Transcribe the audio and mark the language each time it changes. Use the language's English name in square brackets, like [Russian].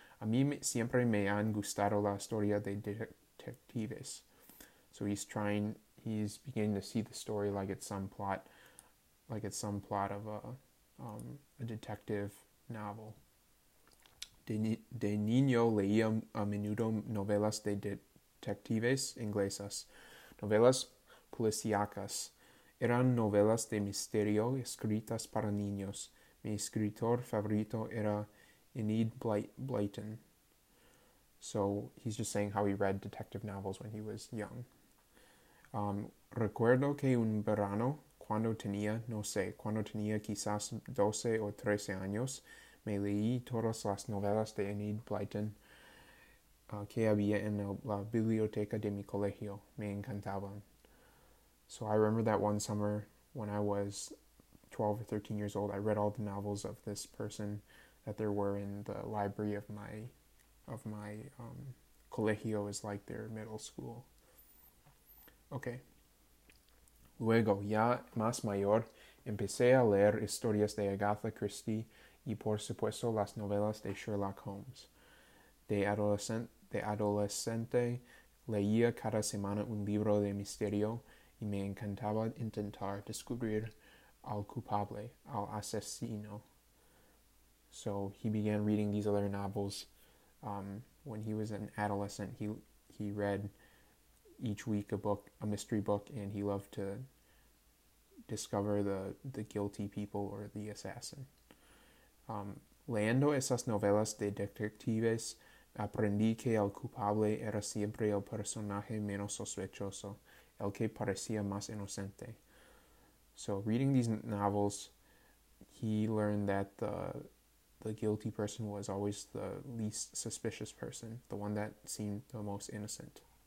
[Spanish] A mí siempre me han gustado la historia de detectives. [English] So he's beginning to see the story like it's some plot of a detective novel. [Spanish] De niño leía a menudo novelas de detectives inglesas, novelas policíacas. Eran novelas de misterio escritas para niños. Mi escritor favorito era Enid Blyton. [English] So he's just saying how he read detective novels when he was young. [Spanish] Recuerdo que un verano, cuando tenía, no sé, cuando tenía quizás 12 o 13 años, me leí todas las novelas de Enid Blyton que había en la biblioteca de mi colegio. Me encantaban. [English] So I remember that one summer when I was 12 or 13 years old, I read all the novels of this person that there were in the library of my colegio is like their middle school. Okay. [Spanish] Luego, ya más mayor, empecé a leer historias de Agatha Christie y por supuesto las novelas de Sherlock Holmes. De adolescente, leía cada semana un libro de misterio y me encantaba intentar descubrir al culpable, al asesino. [English] So he began reading these other novels when he was an adolescent. He read each week a book, a mystery book, and he loved to discover the guilty people or the assassin. [Spanish] Leyendo esas novelas de detectives, aprendí que el culpable era siempre el personaje menos sospechoso, el que parecía más inocente. [English] So reading these novels, he learned that the guilty person was always the least suspicious person, the one that seemed the most innocent.